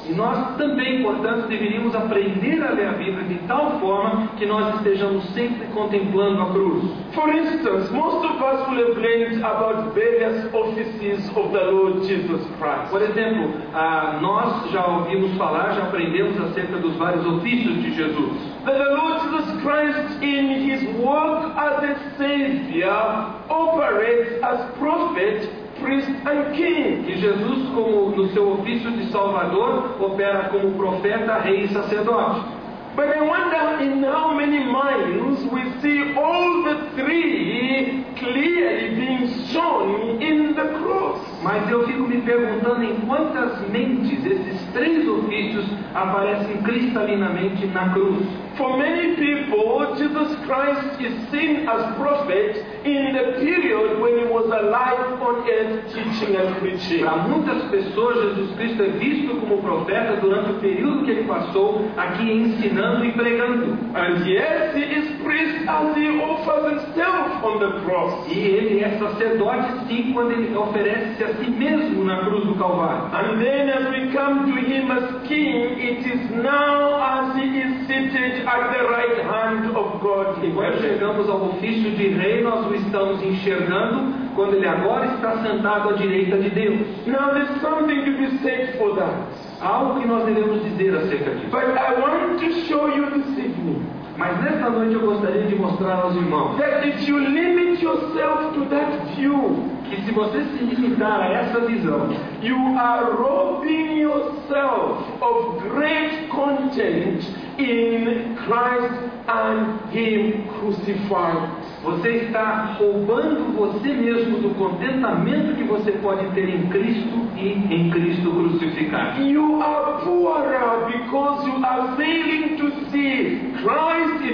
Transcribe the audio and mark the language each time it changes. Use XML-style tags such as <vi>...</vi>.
<pt>E nós também, portanto, deveríamos aprender a ler a Bíblia de tal forma que nós estejamos sempre contemplando a cruz.</pt> <en>For instance, most of us will have learned about various offices of the Lord Jesus Christ.</en> <pt>Por exemplo, nós já ouvimos falar, já aprendemos acerca dos vários ofícios de Jesus.</pt> <en>That the Lord Jesus Christ, in his work as a Savior, operates as prophet, priest and king.</en> <pt>Que Jesus, como no seu ofício de Salvador, opera como profeta, rei e sacerdote.</pt> <en>But I wonder in how many minds we see all the three clearly being shown in the cross.</en> <pt>Mas eu fico me perguntando em quantas mentes esses três ofícios aparecem cristalinamente na cruz.</pt> <en>For many people, Jesus Christ is seen as prophet in the period when he was alive on earth teaching and preaching.</en> <pt>Para muitas pessoas, Jesus Cristo é visto como profeta durante o período que ele passou aqui ensinando e pregando.</pt> <en>And yes, he is priest as he offers himself on the cross.</en> <pt>E ele é sacerdote sim quando ele oferece a si mesmo na cruz do Calvário.</pt> <en>And then as we come to him as king, it is now as he is seated at the right hand of God.</en> <pt>E quando chegamos ao ofício de rei, nós o estamos enxergando quando ele agora está sentado à direita de Deus.</pt> <en>Now there's something to be said for that.</en> <pt>Algo que nós devemos dizer acerca disso.</pt> <en>But I want to show you this evening.</en> <pt>Mas nesta noite eu gostaria de mostrar aos irmãos</pt> <en>that if you limit yourself to that view,</en> <pt>que se você se limitar a essa visão,</pt> <en>you are robbing yourself of great content in Christ and Him crucified.</en> <pt>Você está roubando você mesmo do contentamento que você pode ter em Cristo e em Cristo crucificado.</pt> <en>You are poorer because you are failing to see Christ</en>